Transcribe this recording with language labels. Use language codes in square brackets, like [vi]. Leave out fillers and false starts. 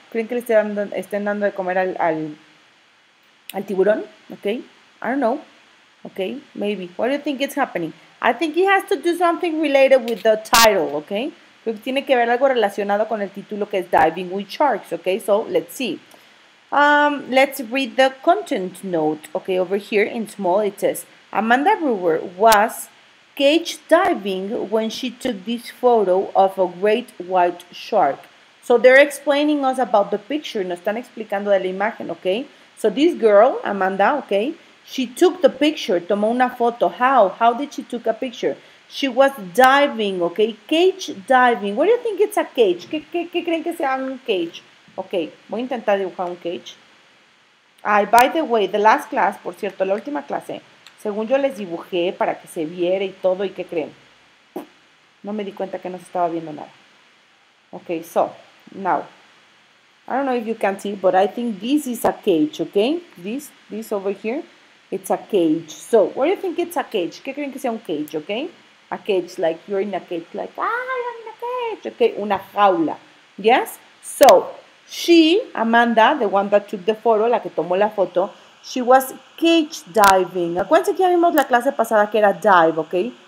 [es] ¿Creen que le estén dando de comer al tiburón? [en] Okay, I don't know. Okay, maybe. What do you think is happening? I think it has to do something related with the title, okay? [es] Creo que tiene que ver algo relacionado con el título que es Diving with Sharks, okay? [en] So, let's see. Let's read the content note. Okay, over here in small it says, Amanda Brewer was cage diving when she took this photo of a great white shark. So they're explaining us about the picture. [es] Nos están explicando de la imagen, [en] okay? So this girl, Amanda, okay, she took the picture, [es] tomó una foto. [en] How? How did she take a picture? She was diving, okay? Cage diving. What do you think it's a cage? [es] ¿Qué creen que sea un cage? Okay, voy a intentar dibujar un cage. Ay, [en] by the way, the last class, [es] por cierto, la última clase, según yo les dibujé para que se viera y todo, ¿y qué creen? No me di cuenta que no se estaba viendo nada. [en] Okay, so, now, I don't know if you can see, but I think this is a cage, okay? This over here, it's a cage. So, what do you think it's a cage? [es] ¿Qué creen que sea [en] un cage, okay? A cage, like you're in a cage, like, ah, I'm in a cage, okay? [es] Una jaula, [en] yes? So, she, Amanda, the one that took the photo, [es] la que tomó la foto, [en] she was cage diving. [es] Acuérdense que ya vimos la clase pasada que era dive, okay?